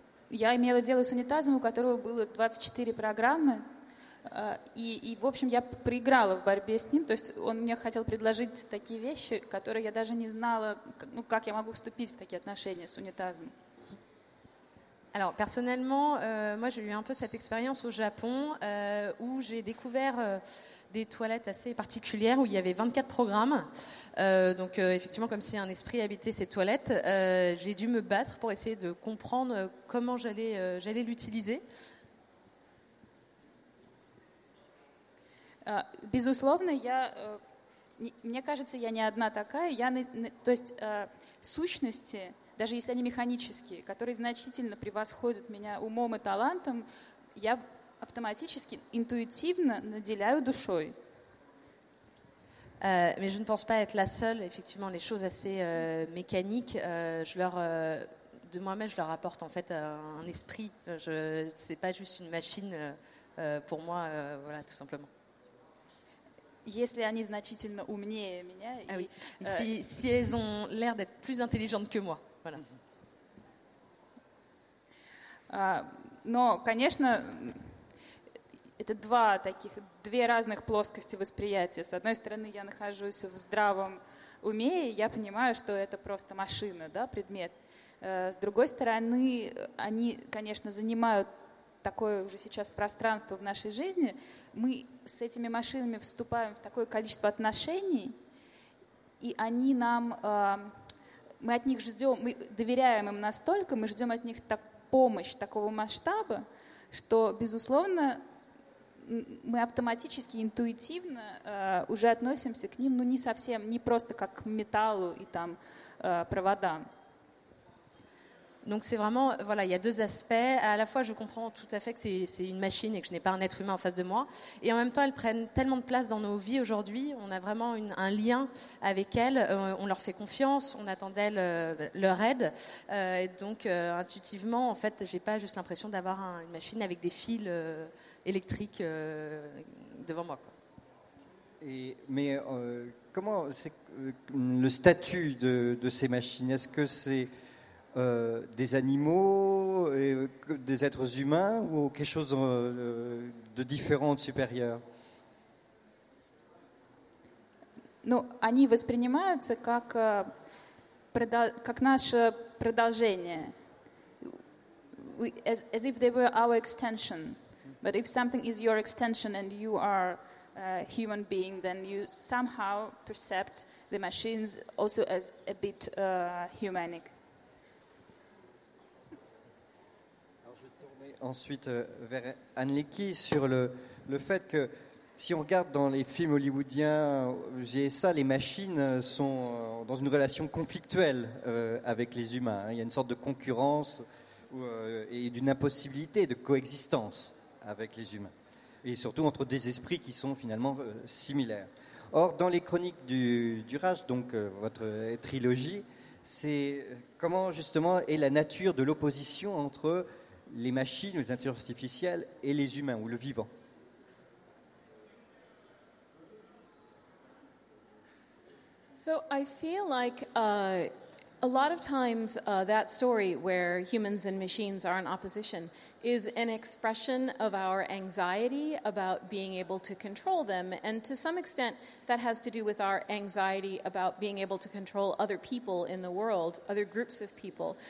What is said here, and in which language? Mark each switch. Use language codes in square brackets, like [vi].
[ru] Я имела дело с унитазом, у которого было 24 программы, и, в общем, я проиграла в борьбе с ним, то есть он мне хотел предложить такие вещи, которые я даже не знала, ну, как я могу вступить в такие отношения с унитазом. [fr] Alors, personnellement, moi, j'ai eu un peu cette expérience au Japon où j'ai découvert des toilettes assez particulières où il y avait 24 programmes. Donc, effectivement, comme si un esprit habitait ces toilettes, j'ai dû me battre pour essayer de comprendre comment j'allais l'utiliser. [ru] Безусловно, я... Мне кажется, я не одна такая. То есть, сущности... даже если они механические, которые значительно превосходят меня умом и талантом, я автоматически, интуитивно наделяю душой. [fr] Mais je ne pense pas être la seule. Effectivement, les choses assez mécaniques, de moi-même, je leur apporte en fait un esprit. Ce n'est pas juste une machine pour moi, voilà, tout simplement. [ru] Если они значительно умнее меня. [fr] Ah, oui. Si elles ont l'air d'être plus intelligentes que moi. Voilà. [ru] Но, конечно, это две разных плоскости восприятия. С одной стороны, я нахожусь в здравом уме, и я понимаю, что это просто машина, да, предмет. С другой стороны, они, конечно, занимают такое уже сейчас пространство в нашей жизни. Мы с этими машинами вступаем в такое количество отношений, и они нам... мы от них ждем, мы доверяем им настолько, мы ждем от них помощь такого масштаба, что, безусловно, мы автоматически, интуитивно уже относимся к ним, ну, не совсем, не просто как к металлу и там проводам. [fr] Donc c'est vraiment, voilà, il y a deux aspects. À la fois, je comprends tout à fait que c'est une machine et que je n'ai pas un être humain en face de moi. Et en même temps, elles prennent tellement de place dans nos vies aujourd'hui. On a vraiment un lien avec elles. On leur fait confiance, on attend d'elles leur aide. Donc, intuitivement, en fait, je n'ai pas juste l'impression d'avoir une machine avec des fils électriques devant moi. Quoi. Comment c'est le statut de ces machines ? Est-ce que c'est... des animaux, et des êtres humains ou quelque chose de différent, de supérieur. [ru] Ну, они воспринимаются как наше продолжение. [en] As if they were our extension. But if something is your extension and you are a human being, then you somehow perceive the machines also as a bit humanic. [fr] Ensuite vers Anne-Lecky sur le fait que si on regarde dans les films hollywoodiens GSA, les machines sont dans une relation conflictuelle avec les humains, il y a une sorte de concurrence et d'une impossibilité de coexistence avec les humains et surtout entre des esprits qui sont finalement similaires. Or dans les chroniques du Raj, donc votre trilogie, c'est comment justement est la nature de l'opposition entre les machines, les intelligences artificielles et les humains ou le vivant. [en] So I feel like a lot of times that story where humans and machines are in opposition is an expression of our anxiety about being able to control them, and to some extent that has to do with our anxiety about being able to control other people in the world, other groups of people.